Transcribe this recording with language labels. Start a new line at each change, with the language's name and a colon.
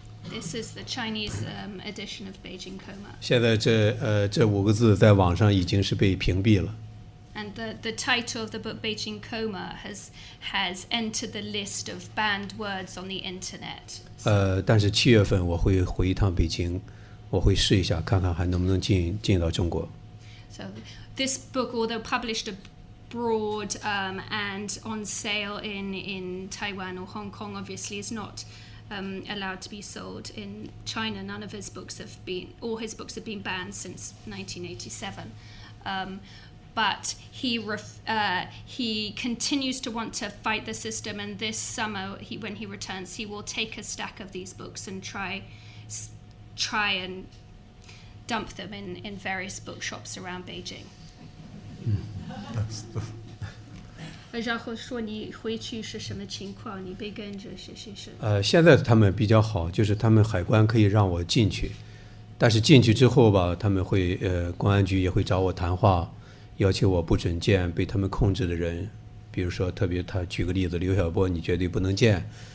English: This is the Chinese edition of Beijing Coma.
Chinese: 现在这五个字在网上已经是被屏蔽了。
English: And the title of the book Beijing Coma has entered the list of banned words on the internet.
Chinese: 但是七月份我会回一趟北京，我会试一下看看还能不能进到中国。
English: So this book, although published abroad and on sale in Taiwan or Hong Kong, obviously is not allowed to be sold in China. None of his books have been, all his books have been banned since 1987. But he continues to want to fight the system. And this summer, when he returns, he will take a stack of these books and try and dump them in various bookshops around Beijing.
Chinese: 现在他们比较好，就是他们海关可以让我进去，但是进去之后吧，他们会公安局也会找我谈话，要求我不准见被他们控制的人，比如说特别他举个例子，刘晓波你绝对不能见，